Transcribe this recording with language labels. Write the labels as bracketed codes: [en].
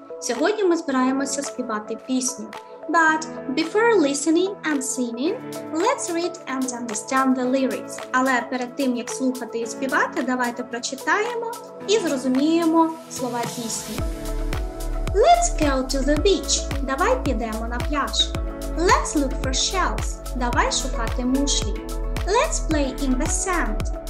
[uk] Сьогодні ми збираємося співати пісню. [en] But before listening and singing, let's read and understand the lyrics. [uk] Але перед тим, як слухати і співати, давайте прочитаємо і зрозуміємо слова пісні. [en] Let's go to the beach. [uk] Давай підемо на пляж. [en] Let's look for shells. [uk] Давай шукати мушлі. [en] Let's play in the sand.